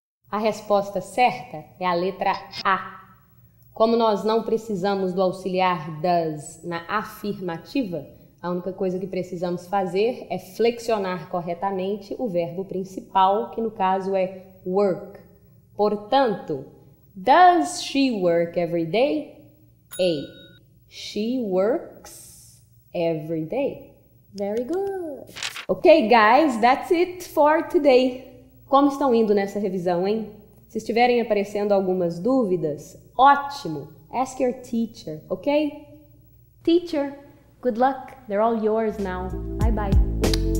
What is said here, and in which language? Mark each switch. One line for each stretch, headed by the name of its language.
Portuguese: A resposta certa é a letra A. Como nós não precisamos do auxiliar does na afirmativa, a única coisa que precisamos fazer é flexionar corretamente o verbo principal, que no caso é work. Portanto,
English: does she work every day? A. She works every day. Very good. Ok, guys, that's it for today.
Portuguese: Como estão indo nessa revisão, hein? Se estiverem aparecendo algumas dúvidas, ótimo.
English: Ask your teacher, ok? Teacher, good luck. They're all yours now. Bye-bye.